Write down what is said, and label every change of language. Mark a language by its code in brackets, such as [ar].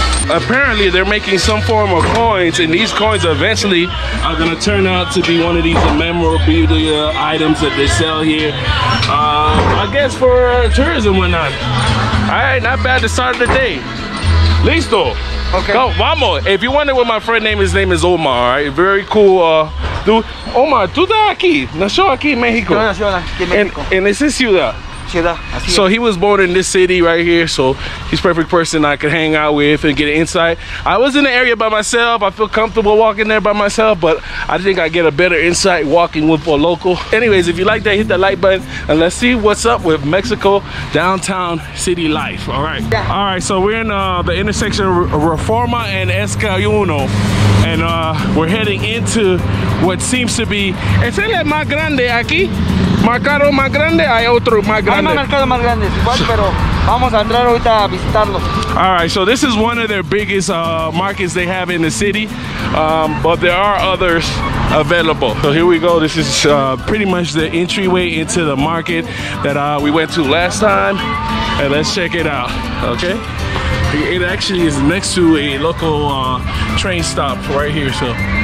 [en] Apparently they're making some form of coins, and these coins eventually are gonna turn out to be one of these memorabilia items that they sell here, I guess for tourism or not. All right, not bad to start the day. [es] Listo. [en] Okay. Go, [es] vamos. [en] If you wonder what my friend name is, his name is Omar. All right, very cool dude. [es] Omar, tú estás aquí, nació aquí en México. Yo nací aquí en México. En esa ciudad. [en] So he was born in this city right here, so he's perfect person I could hang out with and get an insight. I was in the area by myself. I feel comfortable walking there by myself, but I think I get a better insight walking with a local. Anyways, if you like that, hit that like button and let's see what's up with Mexico downtown city life. All right. Yeah. All right, so we're in the intersection of Reforma and Escayuno, and we're heading into what seems to be [es] es el más grande aquí. Mercado más grande, hay otro más grande. Hay más mercado más grande, igual, pero vamos a entrar ahorita a visitarlo. [en] All right, so this is one of their biggest markets they have in the city, but there are others available. So here we go. This is pretty much the entryway into the market that we went to last time, and let's check it out. Okay, it actually is next to a local train stop right here. So.